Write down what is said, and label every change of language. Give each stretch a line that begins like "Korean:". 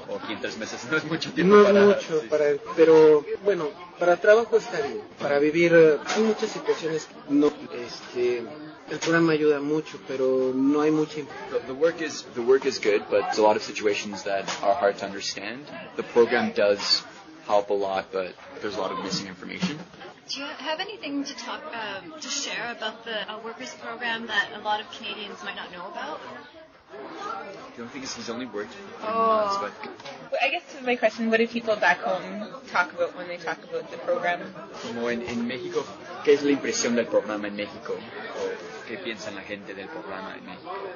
Spanish: ¿O aquí en 3 meses no es mucho tiempo? No mucho, pero bueno, para trabajo está bien. Para vivir, hay muchas situaciones que no... El programa ayuda mucho, pero no hay mucho.
English: The work is good, but there's a lot of situations that are hard to understand. The program does help a lot, but there's a lot of missing information. Do you have anything to talk to share about the workers program that a lot of Canadians might not know about? The only thing is he's only worked for 3 months, but... I guess to my question, what do people back home talk about when they talk about the program?
Spanish: Como en México, ¿qué es la impresión del programa en México? ¿O qué piensa la gente del programa en México?